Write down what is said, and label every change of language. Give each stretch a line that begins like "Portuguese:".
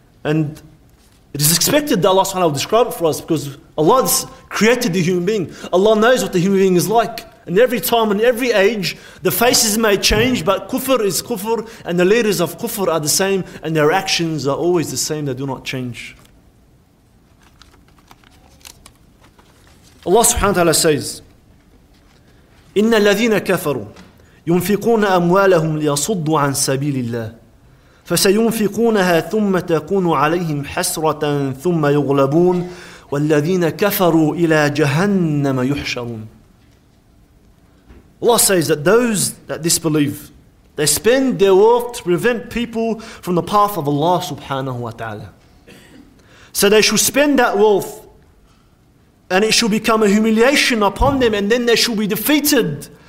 English: And it is expected that Allah subhanahu wa ta'ala will describe it for us, because Allah has created the human being. Allah knows what the human being is like. And every time and every age, the faces may change, but kufr is kufr, and the leaders of kufr are the same, and their actions are always the same. They do not change. Allah subhanahu wa ta'ala says,
Arabic: إِنَّ الَّذِينَ كَفَرُوا يُنْفِقُونَ أَمْوَالَهُمْ لِيَصُدُّوا عَنْ سَبِيلِ اللَّهِ فَسَيُنْفِقُونَهَا ثُمَّ تَكُونُ عَلَيْهِمْ حَسْرَةً ثُمَّ يُغْلَبُونَ وَالَّذِينَ كَفَرُوا إِلَى جَهَنَّمَ يُحْشَرُونَ.
English: Allah says that those that disbelieve, they spend their wealth to prevent people from the path of Allah subhanahu wa ta'ala. So they should spend that wealth and it should become a humiliation upon them, and then they should be defeated.